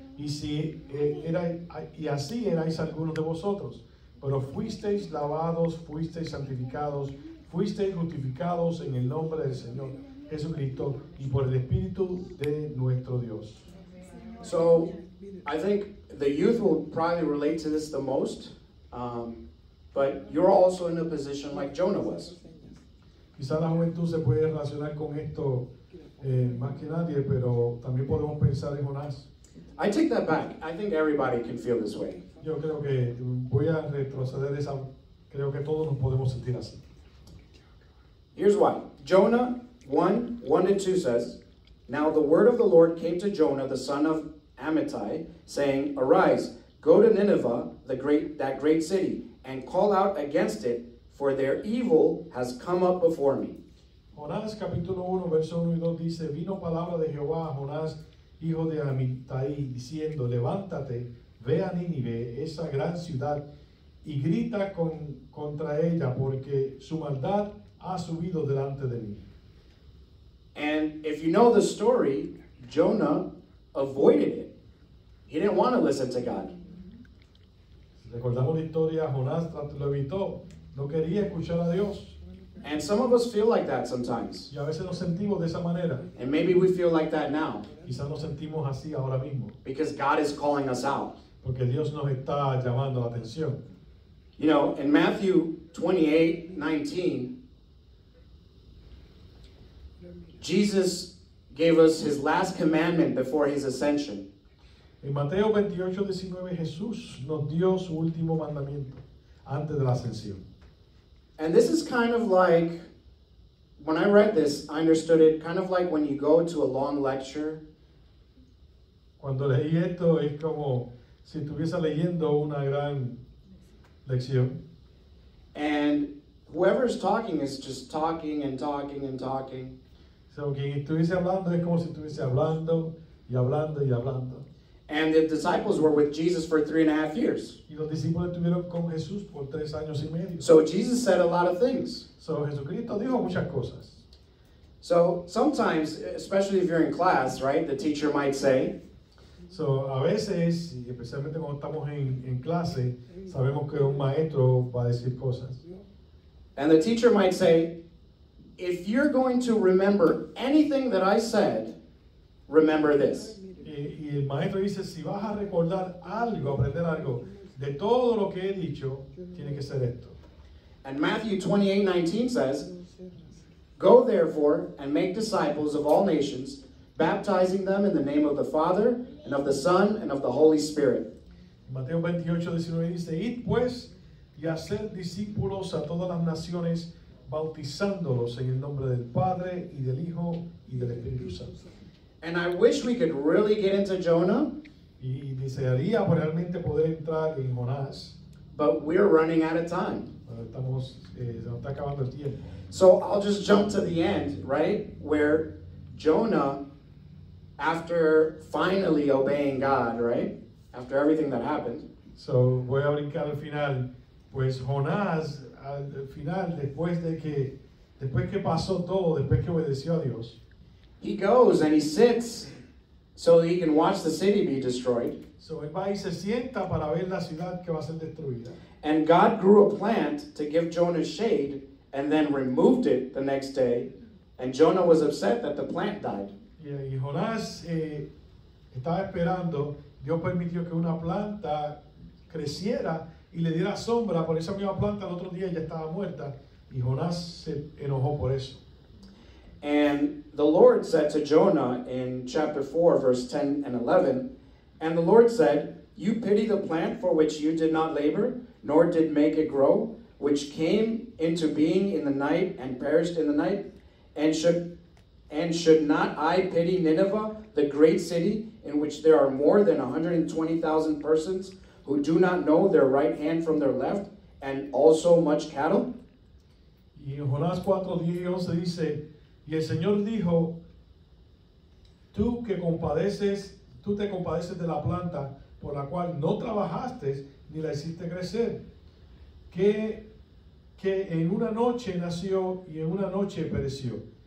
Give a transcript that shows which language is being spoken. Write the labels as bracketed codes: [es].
[es] Y si así erais algunos de vosotros, pero fuisteis lavados, fuisteis santificados, fuisteis justificados en el nombre del Señor Jesucristo y por el Espíritu de nuestro Dios. [en] So, I think the youth will probably relate to this the most, but you're also in a position like Jonah was. [es] Quizá la juventud se puede relacionar con esto más que nadie, pero también podemos pensar en Jonás. [en] I take that back. I think everybody can feel this way. [es] Yo creo que voy a retroceder esa. Creo que todos nos podemos sentir así. [en] Here's why. Jonah 1:1-2 says, Now the word of the Lord came to Jonah, the son of Amittai, saying, Arise, go to Nineveh, that great city, and call out against it, for their evil has come up before me. [es] Jonás capítulo 1, verso 1 y 2 dice, Vino palabra de Jehová a Jonás, hijo de Amittai, diciendo, Levántate, ve a Nínive, esa gran ciudad, y grita contra ella, porque su maldad ha subido delante de mí. [en] And if you know the story, Jonah avoided it. He didn't want to listen to God. [es] Recordamos la historia, Jonás lo evitó. No quería escuchar a Dios. [en] And some of us feel like that sometimes. [es] Y a veces nos sentimos de esa manera. [en] And maybe we feel like that now. [es] Quizás nos sentimos así ahora mismo. [en] Because God is calling us out. [es] Porque Dios nos está llamando la atención. [en] You know, in Matthew 28:19, Jesus gave us his last commandment before his ascension. [es] En Mateo 28:19, Jesús nos dio su último mandamiento antes de la ascensión. [en] And this is kind of like, when I read this, I understood it kind of like when you go to a long lecture. [es] Cuando leí esto, es como si estuviese leyendo una gran lección. [en] And whoever is talking is just talking and talking and talking. [es] So, quien estuviese hablando es como si estuviese hablando y hablando y hablando. [en] And the disciples were with Jesus for 3.5 years. [es] Y los discípulos estuvieron con Jesús por 3 años y medio. [en] So Jesus said a lot of things. [es] So Jesucristo dijo muchas cosas. [en] So sometimes, especially if you're in class, right, the teacher might say. [es] So a veces, y especialmente cuando estamos en clase, sabemos que un maestro va a decir cosas. [en] And the teacher might say, If you're going to remember anything that I said, remember this. [es] Y el maestro dice, si vas a recordar algo, aprender algo, de todo lo que he dicho, tiene que ser esto. [en] And Matthew 28:19 says, Go therefore and make disciples of all nations, baptizing them in the name of the Father, and of the Son, and of the Holy Spirit. [es] Mateo 28:19 dice, Id pues y hacer discípulos a todas las naciones, bautizándolos en el nombre del Padre y del Hijo y del Espíritu Santo. [en] And I wish we could really get into Jonah. [es] Y desearía realmente poder entrar en Jonás. [en] But we're running out of time. [es] Pero estamos, se nos está acabando el tiempo. [en] So I'll just jump to the end, right? Where Jonah, after finally obeying God, right? After everything that happened. [es] So voy a brincar al final. Pues Jonás, al final, después que pasó todo, después que obedeció a Dios, [en] he goes and he sits so that he can watch the city be destroyed. [es] So él va y se sienta para ver la ciudad que va a ser destruida. [en] And God grew a plant to give Jonah shade and then removed it the next day. And Jonah was upset that the plant died. [es] Y Jonás estaba esperando, Dios permitió que una planta creciera y le diera sombra por esa misma planta el otro día ya estaba muerta y Jonás se enojó por eso. [en] And the Lord said to Jonah in chapter 4 verse 10 and 11, and the Lord said, you pity the plant for which you did not labor nor did make it grow, which came into being in the night and perished in the night, and should not I pity Nineveh, the great city in which there are more than 120,000 persons who do not know their right hand from their left, and also much cattle? [es] Y en Jonás 4:10 dice, y el Señor dijo, tú que compadeces, tú te compadeces de la planta por la cual no trabajaste ni la hiciste crecer, que en una noche nació y en una noche pereció.